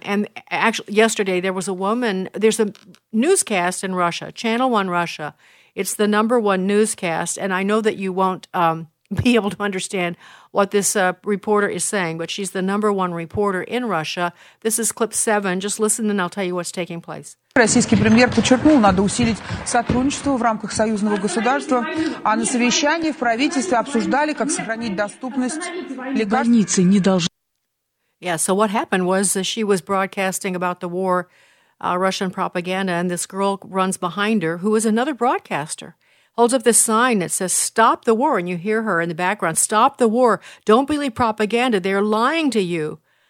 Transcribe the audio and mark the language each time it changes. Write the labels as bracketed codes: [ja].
[en] And actually, yesterday there was a woman, there's a newscast in Russia, Channel One Russia. It's the number one newscast. And I know that you won't be able to understand what this reporter is saying, but she's the number one reporter in Russia. This is clip 7. Just listen, and I'll tell you what's taking place. [ru] Российский премьер подчеркнул, надо усилить сотрудничество в рамках союзного государства, а на совещании в правительстве обсуждали, как сохранить доступность. Границы не должны. [en] Yeah. So what happened was she was broadcasting about the war, Russian propaganda, and this girl runs behind her, who is another broadcaster. Holds up this sign that says, stop the war. And you hear her in the background, stop the war. Don't believe propaganda. They're lying to you.